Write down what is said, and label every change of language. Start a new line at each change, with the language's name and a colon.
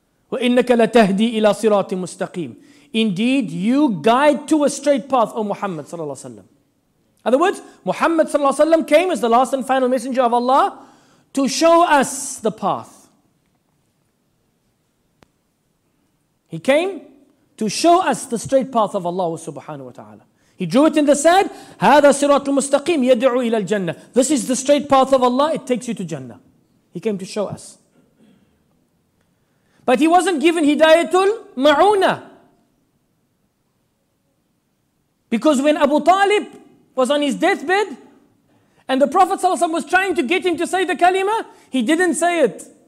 Arabic: وَإِنَّكَ لَتَهْدِي إِلَىٰ صِرَاطٍ مُسْتَقِيمٍ.
English: Indeed, you guide to a straight path, O Muhammad sallallahu alaihi wasallam. In other words, Muhammad sallallahu alaihi wasallam came as the last and final messenger of Allah to show us the path. He came to show us the straight path of Allah subhanahu wa ta'ala. He drew it in the sand.
Arabic: هذا صراط المستقيم يدعو إلى الجنة.
English: This is the straight path of Allah. It takes you to Jannah. He came to show us. But he wasn't given Hidayatul Ma'una. Because when Abu Talib was on his deathbed and the Prophet ﷺ was trying to get him to say the kalima, he didn't say it.